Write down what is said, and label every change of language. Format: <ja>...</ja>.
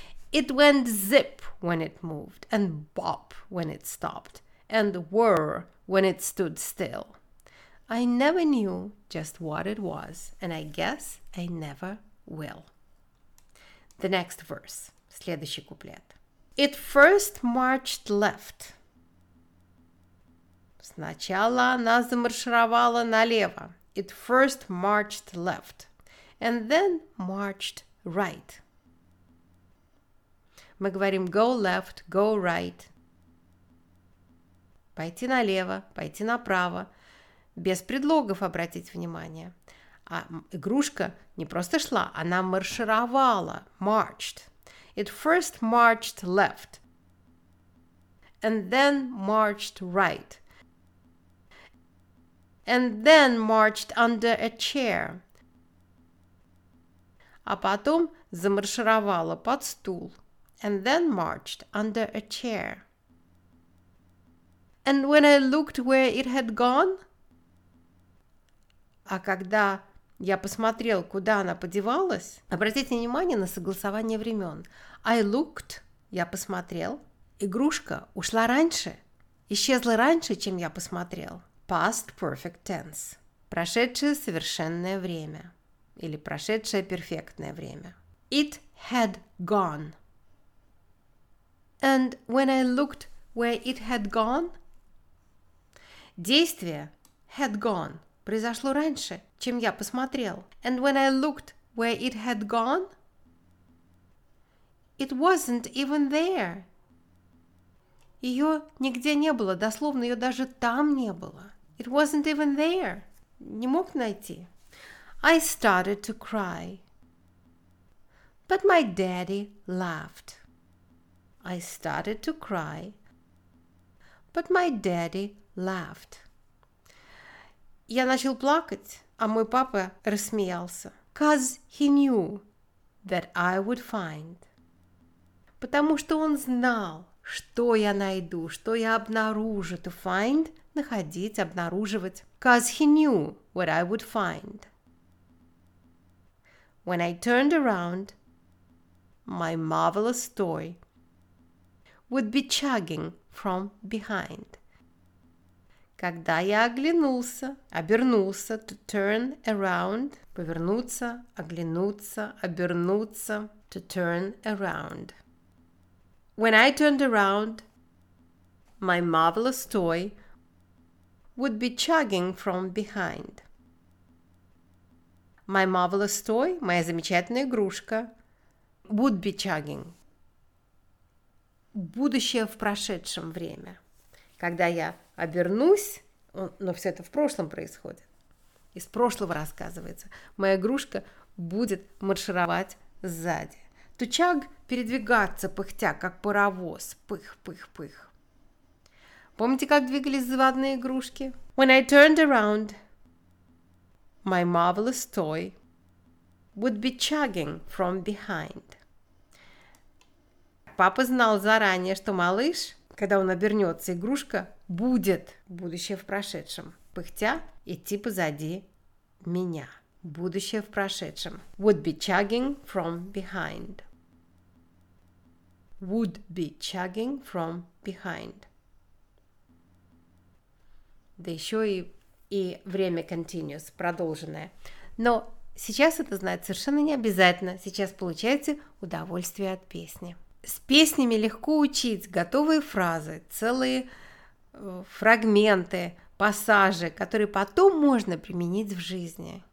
<en>It went zip when it moved, and bop when it stopped, and whirr when it stood still. I never knew just what it was, and I guess I never will. The next verse,</en> <ru>следующий куплет.</ru> <en>It first marched left.</en> <ru>Сначала она замаршировала налево.</ru> <en>It first marched left. And then marched right.</en> <ru>Мы говорим</ru> <en>go left, go right.</en> <ru>Пойти налево, пойти направо. Без предлогов обратить внимание. А игрушка не просто шла, она маршировала.</ru> <en>Marched. It first marched left. And then marched right. And then marched under a chair.</en> <ru>А потом замаршировала под стул.</ru> <en>And then marched under a chair. And when I looked where it had gone,</en> <ru>а когда я посмотрел, куда она подевалась, обратите внимание на согласование времен.</ru> <en>I looked,</en> <ru>я посмотрел, игрушка ушла раньше, исчезла раньше, чем я посмотрел.</ru> <en>Past perfect tense.</en> <ru>Прошедшее совершенное время. Или прошедшее перфектное время.</ru> <en>It had gone. And when I looked where it had gone,</en> <ru>действие</ru> <en>had gone</en> <ru>произошло раньше, чем я посмотрел.</ru> <en>And when I looked where it had gone, it wasn't even there.</en> <ru>Ее нигде не было, дословно ее даже там не было.</ru> <en>It wasn't even there.</en> <ru>Не мог найти.</ru> <en>I started to cry. But my daddy laughed. I started to cry. But my daddy laughed.</en> <ru>Я начал плакать, а мой папа рассмеялся.</ru> <en>Cause he knew that I would find.</en> <ru>Потому что он знал, что я найду, что я обнаружу.</ru> <en>To find,</en> <ru>находить, обнаруживать.</ru> <en>Cause he knew what I would find. When I turned around, my marvelous toy would be chugging from behind.</en> <ru>Когда я оглянулся, обернулся,</ru> <en>to turn around,</en> <ru>повернуться, оглянуться, обернуться, to turn around.</ru> <en>When I turned around, my marvelous toy would be chugging from behind. My marvelous toy,</en> <ru>моя замечательная игрушка,</ru> <en>would be chugging.</en> <ru>Будущее в прошедшем время. Когда я обернусь, но все это в прошлом происходит, из прошлого рассказывается, моя игрушка будет маршировать сзади.</ru> <en>To chug,</en> <ru>передвигаться, пыхтя, как паровоз, пых, пых, пых. Помните, как двигались заводные игрушки?</ru> <en>When I turned around, my marvelous toy would be chugging from behind.</en> <ru>Папа знал заранее, что малыш, когда он обернется, игрушка будет, будущее в прошедшем, пыхтя, идти позади меня. Будущее в прошедшем.</ru> <en>Would be chugging from behind. Would be chugging from behind.</en> <ru>Да еще и время continuous, продолженное. Но сейчас это знать совершенно не обязательно. Сейчас получаете удовольствие от песни. С песнями легко учить готовые фразы, целые фрагменты, пассажи, которые потом можно применить в жизни.</ru>